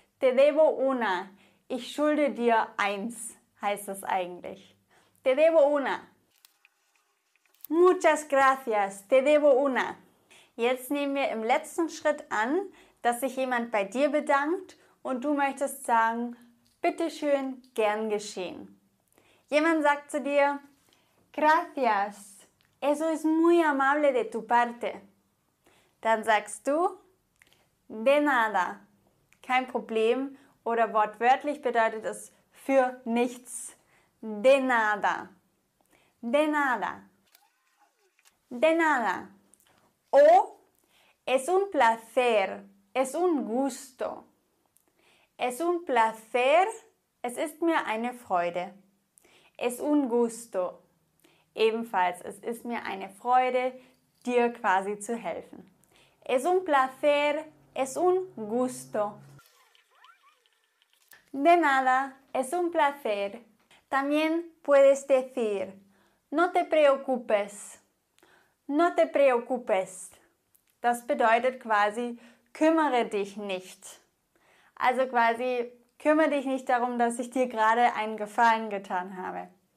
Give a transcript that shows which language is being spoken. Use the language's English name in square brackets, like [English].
[Spanish] Te debo una. [German] Ich schulde dir eins, heißt es eigentlich. Te debo una. [Spanish] Muchas gracias. Te debo una. [German] Jetzt nehmen wir im letzten Schritt an, dass sich jemand bei dir bedankt und du möchtest sagen, bitteschön, gern geschehen. Jemand sagt zu dir, [Spanish] gracias, eso es muy amable de tu parte. [German] Dann sagst du, de nada, kein Problem, oder wortwörtlich bedeutet es für nichts. [Spanish] De nada, de nada, de nada. O, es un placer, es un gusto. Es un placer, [German] es ist mir eine Freude. [Spanish] Es un gusto. [German] Ebenfalls, es ist mir eine Freude, dir quasi zu helfen. [Spanish] Es un placer, es un gusto. De nada, es un placer. También puedes decir, no te preocupes. No te preocupes. [German] Das bedeutet quasi, kümmere dich nicht. Also quasi, kümmere dich nicht darum, dass ich dir gerade einen Gefallen getan habe.